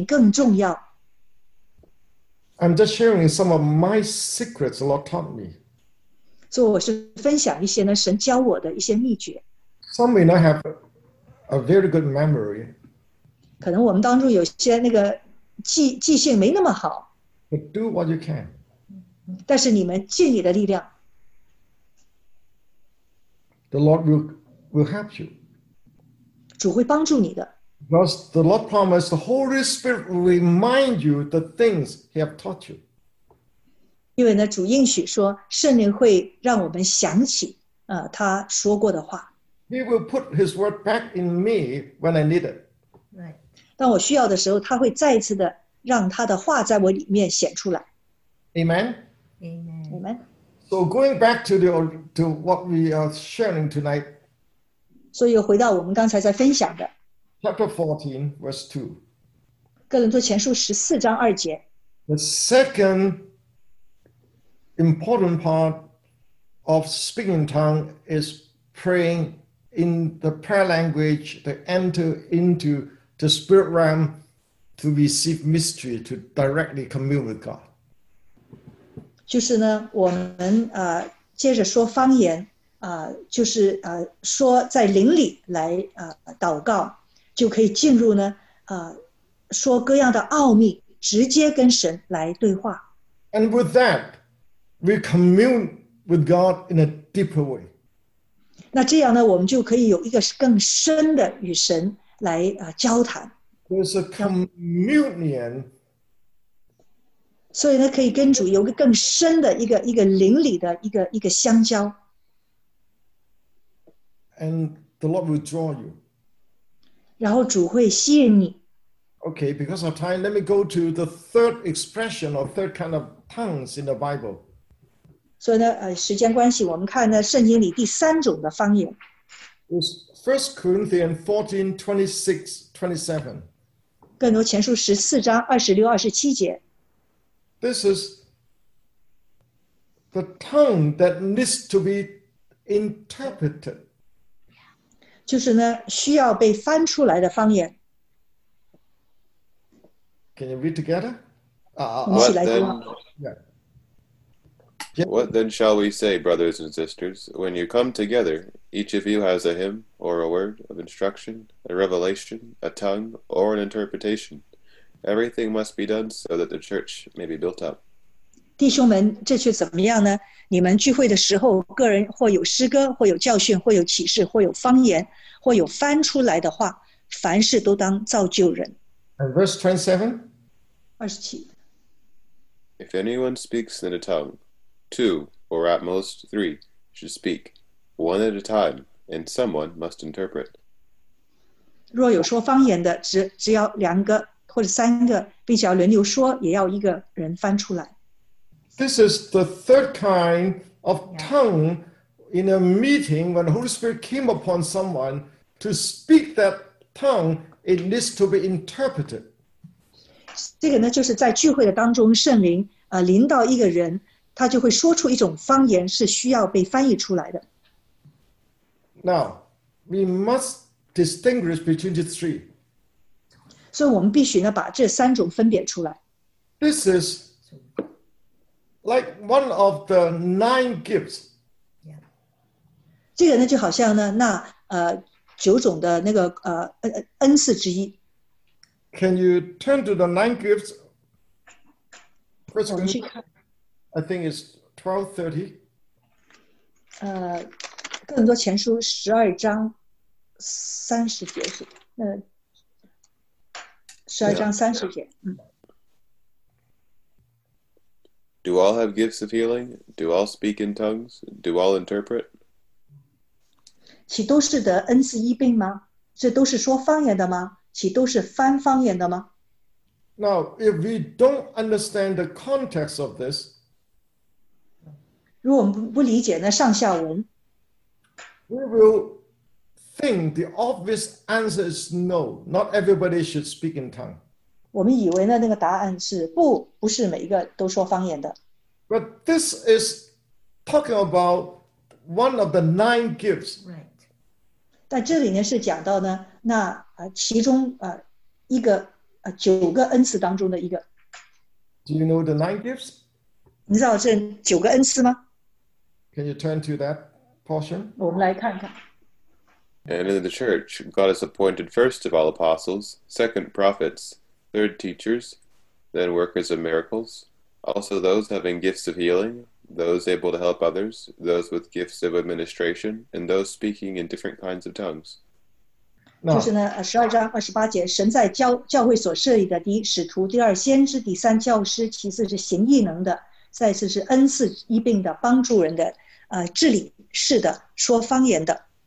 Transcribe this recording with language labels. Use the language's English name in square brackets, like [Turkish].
[Chinese] 所以我跟我的天父说，你的话语比我的生命更重要。 [English] I'm just sharing some of my secrets the Lord taught me. [Chinese] 所以我是分享一些呢，神教我的一些秘诀。 [English] Some may not have a very good memory. [Chinese] 可能我们当中有些那个记性没那么好, [English] but do what you can. [Chinese] 但是你们尽你的力量, [English] the Lord will help you. [Chinese] 主会帮助你的。 [English] Because the Lord promised the Holy Spirit will remind you the things He has taught you. [Chinese] 因为呢, 主应许说, 圣灵会让我们想起, 祂说过的话。 [English] He will put His word back in me when I need it. Right. [Chinese] 当我需要的时候, 祂会再一次的让祂的话在我里面显出来。 [English] Amen? Amen. Amen. So going back to what we are sharing tonight. [Chinese] 所以回到我们刚才在分享的。 [English] Chapter 14, verse 2. [Chinese] 哥林多前书14章2节。 [English] The second important part of speaking in tongue is praying in the prayer language, to enter into the spirit realm to receive mystery, to directly commune with God. [Chinese] 就是呢, 我们, 接着说方言, 就是说在灵里来祷告，就可以进入呢说各样的奥秘，直接跟神来对话。 [English] And with that, we commune with God in a deeper way. [Chinese] 那这样呢，我们就可以有一个更深的与神来交谈。 [English] There's a communion. [Chinese] 所以呢，可以跟主有一个更深的一个灵里的一个相交。 [English] And the Lord will draw you. [Chinese] 然后主会吸引你。 [English] Okay, because of time, let me go to the third expression or third kind of tongues in the Bible. [Chinese] 所以呢，时间关系，我们看呢，圣经里第三种的方言。 [English] First Corinthians 14:26-27. [Chinese] 《更多前书》十四章二十六、二十七节。 [English] This is the tongue that needs to be interpreted. [Chinese] 就是呢，需要被翻出来的方言。 [English] Can you read together? [Chinese] 一起来读。 [English] What then shall we say, brothers and sisters, when you come together, each of you has a hymn or a word of instruction, a revelation, a tongue, or an interpretation. Everything must be done so that the church may be built up. [Chinese] 弟兄们，这却怎么样呢？你们聚会的时候，个人或有诗歌，或有教训，或有启示，或有方言，或有翻出来的话，凡事都当造就人。 [English] And verse 27? 27. If anyone speaks in a tongue,Two, or at most three, should speak, one at a time, and someone must interpret. [Chinese] 若有说方言的，只要两个或者三个，并且要轮流说，也要一个人翻出来。 [English] This is the third kind of tongue in a meeting when the Holy Spirit came upon someone to speak that tongue, it needs to be interpreted. [Chinese] 这个呢，就是在聚会的当中，圣灵临到一个人。他就会说出一种方言，是需要被翻译出来的。 [English] Now, we must distinguish between the three. [Chinese] 所以我们必须呢把这三种分别出来。 [English] This is like one of the nine gifts. [Chinese] 这个呢就好像呢那九种的那个恩赐之一。 [English] Can you turn to the nine gifts? [Chinese] 我们去看。 [English] I think it's 12:30. [Chinese] 更多前书十二章三十节是十二章三十节。 [English] Do all have gifts of healing? Do all speak in tongues? Do all interpret? [Chinese] 岂都是得恩赐医病吗？这都是说方言的吗？岂都是翻方言的吗 [English] ？Now, if we don't understand the context of this. [Chinese] 如果我们不理解呢上下文 [English] ，We will think the obvious answer is no. Not everybody should speak in tongue. [Chinese] 我们以为呢那个答案是不，不是每一个都说方言的。 [English] But this is talking about one of the nine gifts. Right. [Chinese] 但这里呢是讲到呢那其中一个九个恩赐当中的一个。 [English] Do you know the nine gifts? [Chinese] 你知道这九个恩赐吗 [English] ？Can you turn to that portion? [Chinese] 我们来看看。 [English] And in the church, God has appointed first of all apostles, second prophets, third teachers, then workers of miracles, also those having gifts of healing, those able to help others, those with gifts of administration, and those speaking in different kinds of tongues. [Chinese] 就是呢，十二章二十八节，神在教会所设立的第一使徒，第二先知，第三教师，其次是行异能的。再次是恩赐医病的帮助人的治理是的说方言的